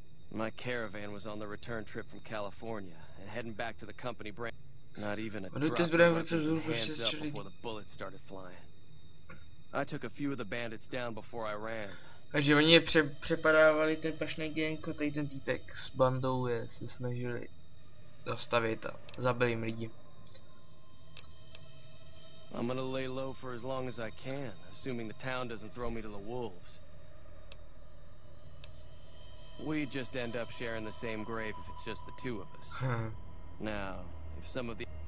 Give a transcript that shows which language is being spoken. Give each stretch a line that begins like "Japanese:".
English: My caravan was on the return trip from California and heading back to the company branch. Not even a drop of hands up before the bullets started flying. I took a few of the bandits down before I ran.
Czech: Takže oni je přepadávali ten pašný genko, tady ten týpek s bandou je se snažili zastavit a zabili jim lidi.
English: I'm gonna lay low for as long as I can, assuming the town doesn't throw me to the wolves. We just end up sharing the same grave if it's just the two of us. Now, if some of the...